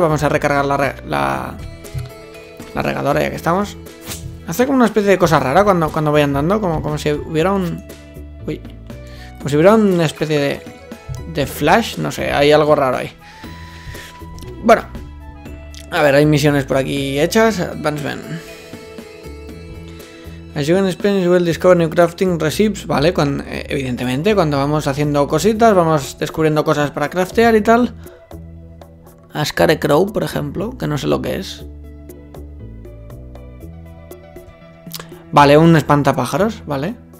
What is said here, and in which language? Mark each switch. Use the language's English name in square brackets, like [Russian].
[Spanish] Vamos a recargar la regadora ya que estamos. Hace como una especie de cosa rara cuando voy andando, como si hubiera un... Uy. Como si hubiera una especie de flash, no sé, hay algo raro ahí. Bueno, a ver, hay misiones por aquí hechas. [English] Advancement. As you can experience, you will discover new crafting recipes. [Spanish] Vale, evidentemente, cuando vamos haciendo cositas, vamos descubriendo cosas para craftear y tal. Ascare Crow, por ejemplo, que no sé lo que es. Vale, un espantapájaros, vale.